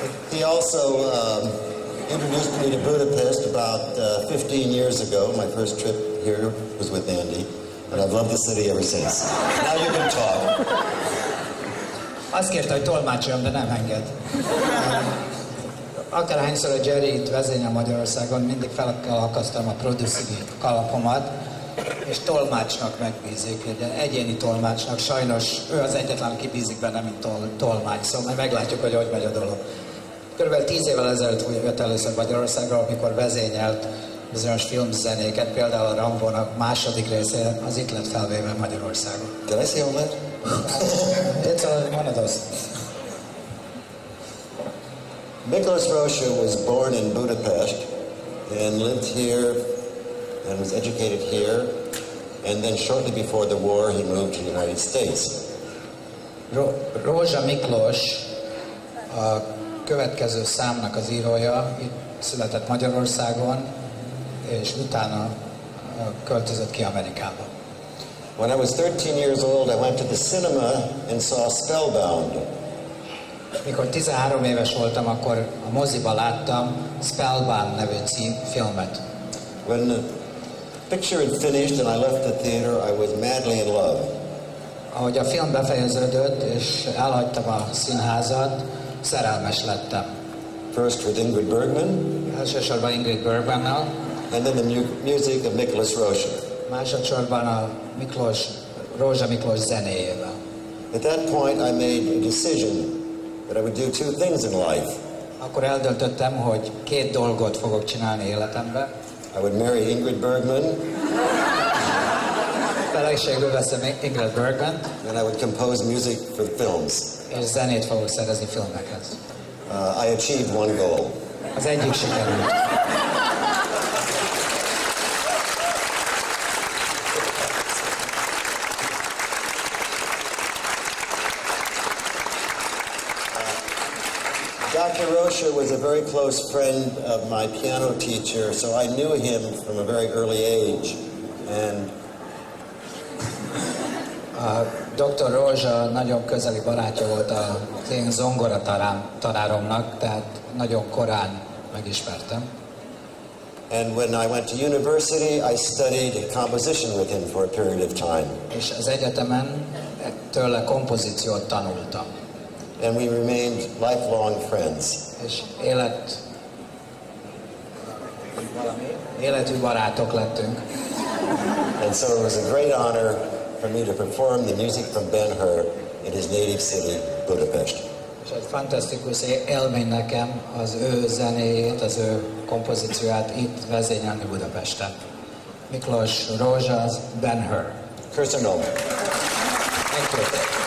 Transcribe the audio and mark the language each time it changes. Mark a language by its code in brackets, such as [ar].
[en] He also introduced me to Budapest about 15 years ago. My first trip here was with Andy, and I've loved the city ever since. Now you can talk. [hu] Azt kérte, hogy tolmácsoljam, de nem enged. Akárhányszor a Jerry itt vezényel Magyarországon, mindig fel kell akasztanom a producing-i kalapomat, és tolmácsnak megbízik, egyéni tolmácsnak. Sajnos ő az egyetlen, aki bízik benne, mint tolmács. Szóval majd meglátjuk, hogy hogy megy a dolog. Körülbelül 10 évvel ezelőtt jött először Magyarországra, amikor vezényelt bizonyos filmzenéket, például a Rambónak második része az itt lett felvéve Magyarországon. Te lesz jól lett? Itt szóval, hogy mondod azt. [en] Miklós Rocha was born in Budapest and lived here and was educated here, and then shortly before the war he moved to the United States. [hu] Rózsa Miklós a következő számnak az írója, itt született Magyarországon, és utána költözött ki Amerikába. [en] When I was 13 years old, I went to the cinema and saw Spellbound. [hu] Mikor 13 éves voltam, akkor a moziba láttam Spellbound nevű filmet. [en] When the picture had finished and I left the theater, I was madly in love. [hu] Ahogy a film befejeződött, és elhagytam a színházat, szerelmes lettem. [en] First with Ingrid Bergman. [hu] Elsősorban Ingrid Bergman-nal. [en] And then the music of Miklós Rózsa. [hu] Másodszorban a Miklós, Rózsa Miklós zenéjével. [en] At that point I made a decision that I would do two things in life. [hu] Akkor eldöntöttem, hogy két dolgot fogok csinálni életemben. [en] I would marry Ingrid Bergman. [hu] Feleségül veszem Ingrid Bergman. [en] And I would compose music for films. [hu] És zenét fogok szerezni filmekhez. [en] I achieved one goal. [hu] Az egyik sikerült. [en] Dr. Rózsa was a very close friend of my piano teacher, so I knew him from a very early age. And Dr. [hu] Rózsa nagyon közeli barátja volt az én zongora tanáromnak, tehát nagyon korán megismertem. [en] And when I went to university, I studied composition with him for a period of time. [hu] És az egyetemen tőle kompozíciót tanultam. [en] And we remained lifelong friends. [hu] És életű barátok lettünk. [en] And so it was a great honor for me to perform the music from Ben-Hur in his native city, Budapest. [hu] És egy fantasztikus élmény nekem az ő zenéjét, az ő kompozícióját itt vezényelni Budapesten. [en] Miklós Rózsa, Ben-Hur. [hu] Köszönöm. [en] Thank you.